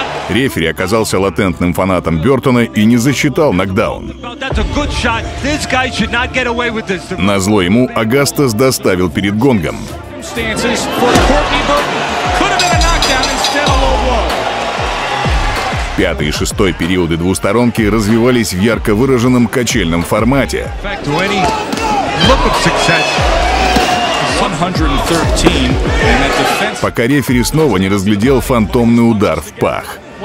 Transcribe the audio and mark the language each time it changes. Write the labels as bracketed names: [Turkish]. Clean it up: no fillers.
[Russian] Рефери оказался латентным фанатом Бёртона и не засчитал нокдаун. Назло ему Агастес доставил перед гонгом. [English] circumstances for Courtney Burton. Could have been a knockdown instead of a low blow. [Russian] Пятый и шестой периоды двусторонки развивались в ярко выраженном качельном формате. 113, пока рефери снова не разглядел фантомный удар в пах.